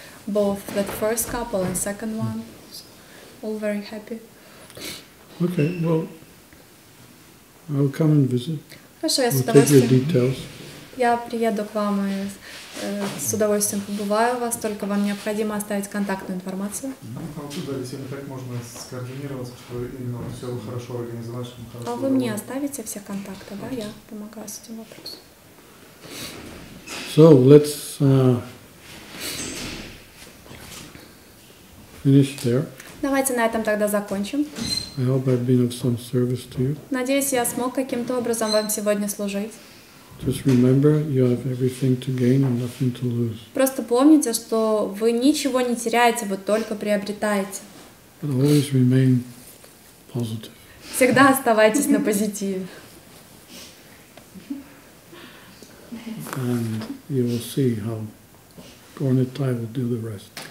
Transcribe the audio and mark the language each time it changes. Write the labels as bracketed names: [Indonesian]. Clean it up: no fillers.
[English] Both the first couple and second one, all very happy. Okay, well, I'll come and visit. [Russian] Хорошо, я с удовольствием. [English] We'll take your details. [Russian] я приеду к вам и с удовольствием побываю у вас, только вам необходимо оставить контактную информацию. Ну, оттуда, если так можно скоординироваться, что именно все хорошо организовано, что хорошо. А вы работаете. Мне оставите все контакты, да? Я помогаю с этим вопросом. [English] So, let's finish there. [Russian] Давайте на этом тогда закончим. [English] I hope I've been of some service to you. [Russian] Надеюсь, я смог каким-то образом вам сегодня служить. [English] Just remember, you have everything to gain and nothing to lose. [Russian] Просто помните, что вы ничего не теряете, вы только приобретаете. [English] But always remain positive. [Russian] Всегда оставайтесь на позитиве. [English] And you will see how Горнитай will do the rest.